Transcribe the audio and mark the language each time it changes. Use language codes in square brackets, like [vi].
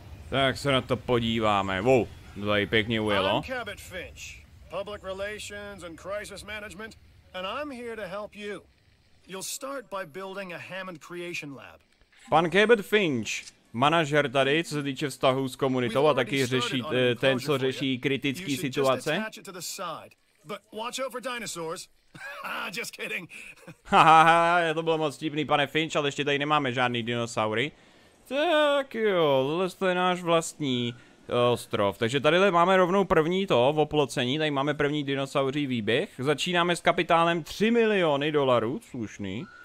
[cs] Tak se na to podíváme. Wow. Tady pěkně ujelo. [en] I'm Cabot Finch, public relations and crisis management, and I'm here to help you. You'll start by building a Hammond creation lab. [cs] Pan Cabot Finch, manažer tady, co se týče vztahů s komunitou a taky řeší ten, co řeší kritické situace. [en] You should just attach it to the side, but watch out for dinosaurs. Just kidding. [cs] Hahaha, to bylo moc vtipný, pane Finch, ale ještě tady nemáme žádný dinosaury. Tak jo, tohle je náš vlastní ostrov. Takže tady máme rovnou první to v oplocení, tady máme první dinosauří výběh. Začínáme s kapitálem 3 miliony dolarů, slušný.